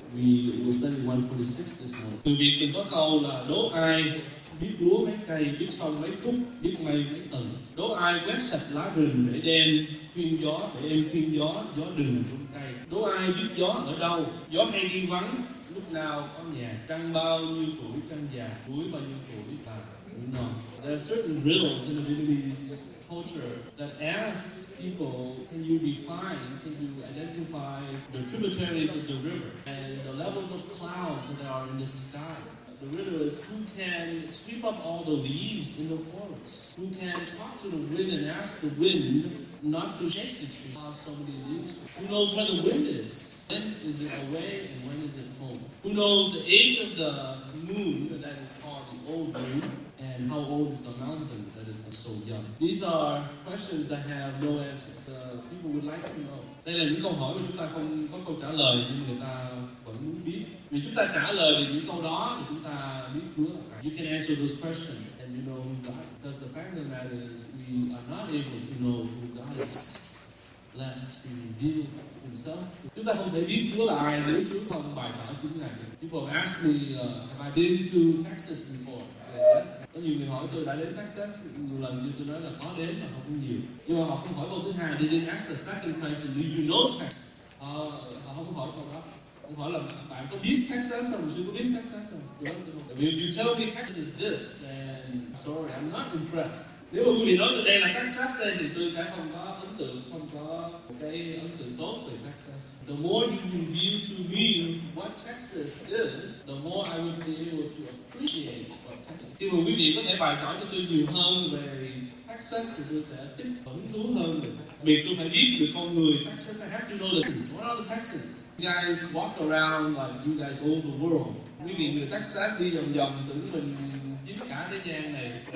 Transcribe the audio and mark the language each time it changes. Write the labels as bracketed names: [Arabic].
[English] We will study 146 this morning. [Vietnamese] Từ Việt mình có câu là đố ai biết lúa mấy cây, biết sông mấy cúc, biết mây mấy tầng. Đố ai quét sạch lá rừng để đem khuyên gió, để em khuyên gió, gió đừng rung cây. Đố ai biết gió ở đâu, gió hay đi vắng, lúc nào có nhà, trăng bao nhiêu tuổi, trăng già, cuối bao nhiêu tuổi, và cũng non. [English] There are certain riddles in the Vietnamese culture that asks people, can you define, can you identify the tributaries of the river and the levels of clouds that are in the sky? The riddle is, who can sweep up all the leaves in the forest? Who can talk to the wind and ask the wind not to shake the tree? How somebody leaves? Who knows where the wind is? When is it away and when is it home? Who knows the age of the moon that is called the old moon? And how old is the mountain that is so young? These are questions that have no answer. The people would like to know. [Vietnamese] Đây là những câu hỏi mà chúng ta không có câu trả lời, nhưng người ta vẫn muốn biết. Vì chúng ta trả lời về những câu đó thì chúng ta biết Chúa. [English] You can answer those questions and you know who God is. Because the fact of the matter is, we are not able to know who God is, lest He reveal Himself. [Vietnamese] Chúng ta không thể biết Chúa là ai nếu Chúa không bày tỏ Chúa này. [English] People ask me, have I been to Texas before? [Vietnamese] Có nhiều người hỏi tôi đã đến Texas nhiều lần, nhưng tôi nói là có đến mà không nhiều. Nhưng mà họ không hỏi câu thứ hai, [English] they didn't ask the second question, do you know Texas? [Vietnamese] Họ không hỏi câu đó. Họ hỏi là bạn có biết Texas không? Chưa có biết Texas không? [English] If you tell me Texas this, then sorry, I'm not impressed. [Vietnamese] Nếu mà quý vị nói tôi đây là Texas đây, thì tôi sẽ không có ấn tượng, không có một cái ấn tượng tốt về Texas. [English] The more you reveal to me what Texas is, the more I will be able to appreciate what Texas is. [Vietnamese] Khi mà quý vị có thể bày tỏ cho tôi nhiều hơn về Texas, thì tôi sẽ thích hứng thú hơn. Vì tôi phải biết được con người Texas, [English] I have to know this. What are the Texans? You guys walk around like you guys all the world. [Vietnamese] Quý vị người Texas đi vòng vòng tưởng mình chiếm cả thế gian này.